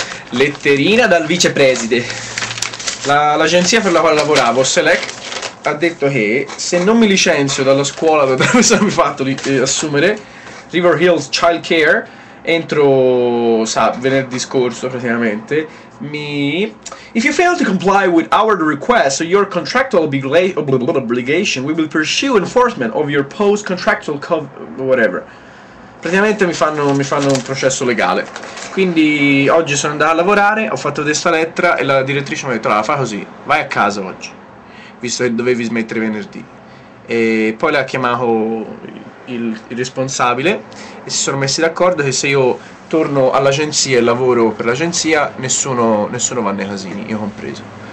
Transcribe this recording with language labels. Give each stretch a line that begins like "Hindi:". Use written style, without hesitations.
Italian: Letterina dal vicepreside. L'agenzia per la quale lavoravo, Select, ha detto che se non mi licenzio dalla scuola dove mi sono fatto assumere, River Hills Child Care, entro venerdì scorso praticamente, mi.
English: If you fail to comply with our request or your contractual obligation, we will pursue enforcement of your post contractual whatever.
Italian: Praticamente mi fanno un processo legale. Quindi oggi sono andato a lavorare, ho fatto questa lettera e la direttrice mi ha detto: fa così, vai a casa oggi, visto che dovevi smettere venerdì. E poi le ha chiamato il responsabile e si sono messi d'accordo che se io torno all'agenzia e lavoro per l'agenzia, nessuno va nei casini, io compreso.